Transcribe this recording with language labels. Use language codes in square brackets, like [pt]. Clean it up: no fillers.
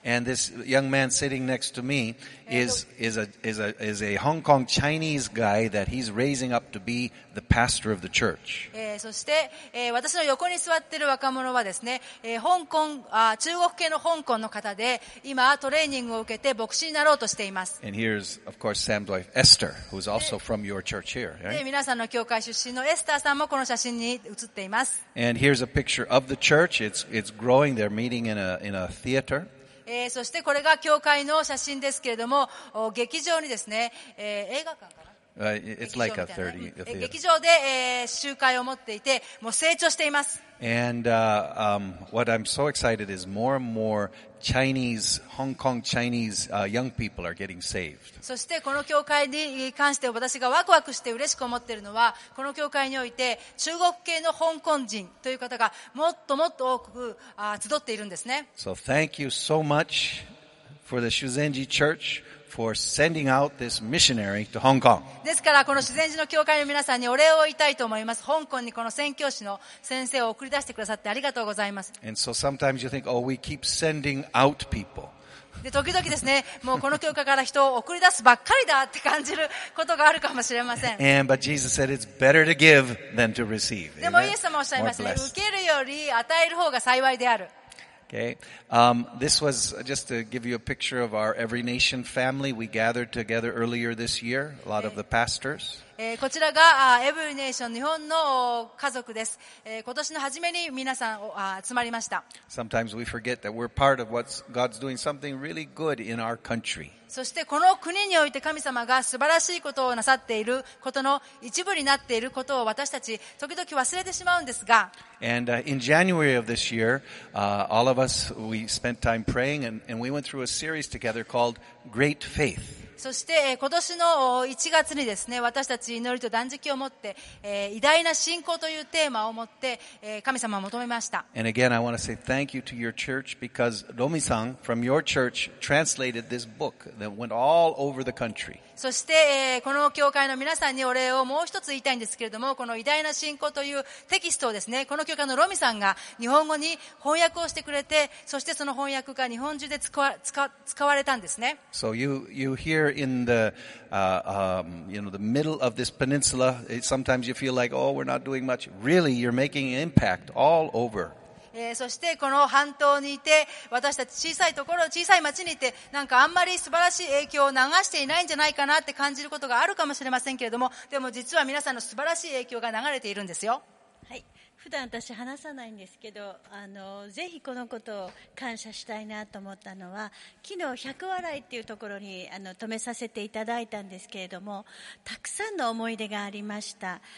[en] And this young man sitting next to me is a Hong Kong Chinese guy that he's raising up to be the pastor of the church. [ja] そして、私の横に座っている若者はですね、香港、中国系の香港の方で、今トレーニングを受けて牧師になろうとしています。 [en] And here's of course Sam's wife Esther, who's also from your church here. Right? [ja] 皆さんの教会出身のエスターさんもこの写真に写っています。 [en] And here's a picture of the church. It's growing. They're meeting in a theater. そしてこれが教会の写真ですけれども、劇場にですね、映画館かな。 It's like a 30 theater. [ja] 劇場で、集会を持っていて、もう成長しています。 [en] And, what I'm so excited is more and more Chinese, Hong Kong Chinese, young people are getting saved. [ja] そしてこの教会に関して私がワクワクして嬉しく思っているのは、この教会において中国系の香港人という方がもっともっと多く集っているんですね。 [en] So thank you so much for the Shuzhenji Church. For sending out this missionary to Hong Kong. [ja] ですからこの修善寺の教会の皆さんにお礼を言いたいと思います。香港にこの宣教師の先生を送り出してくださってありがとうございます。 [en] And so sometimes you think, oh, we keep sending out people. [ja] で時々ですね、もうこの教会から人を送り出すばっかりだって感じることがあるかもしれません。 [en] And, but Jesus said it's better to give than to receive. [ja] でもイエス様おっしゃいますね、受けるより与える方が幸いである。 [en] Okay. This was just to give you a picture of our Every Nation family. We gathered together earlier this year. A lot of the pastors. [ja] こちらが Every Nation 日本の家族です。今年の初めに皆さん集まりました。 [en] Sometimes we forget that we're part of what God's doing something really good in our country. [ja] そしてこの国において神様が素晴らしいことをなさっていることの一部になっていることを私たち時々忘れてしまうんですが。 [en] And in January of this year, all of us, we spent time praying and we went through a series together called Great Faith. [ja] そして、今年の1月にですね、私たち祈りと断食を持って、偉大な信仰というテーマを持って、神様を求めました。 [en] And again, I want to say thank you to your church because Romi-san from your church translated this book that went all over the country. [ja] そして、この教会の皆さんにお礼をもう一つ言いたいんですけれども、この偉大な信仰というテキストをですね、この教会のロミさんが日本語に翻訳をしてくれて、そしてその翻訳が日本中で使われたんですね。 [en] So you here in the you know the middle of this peninsula, sometimes you feel like, oh, we're not doing much. Really, you're making an impact all over. [ja] そしてこの半島にいて、私たち小さいところ、小さい町にいて、なんかあんまり素晴らしい影響を流していないんじゃないかなって感じることがあるかもしれませんけれども、でも実は皆さんの素晴らしい影響が流れているんですよ。はい、普段私話さないんですけど、ぜひこのことを感謝したいなと思ったのは、昨日百笑いっていうところに泊めさせていただいたんですけれども、たくさんの思い出がありました。